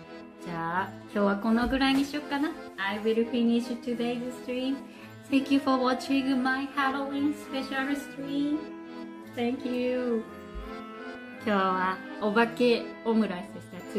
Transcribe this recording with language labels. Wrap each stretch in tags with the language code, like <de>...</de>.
<ja>確かに。ハロウィン楽しみね。</ja> <en>ハロウィン is so fun。</en> <ja>奇跡スクリーンショット。惜しい。じゃあ、今日はこのぐらいにしよっかな。</ja> <en>I will finish today's stream. Thank you for watching my Halloween special stream. Thank you.</en> <ja>今日はお化けオムライスでした。</ja>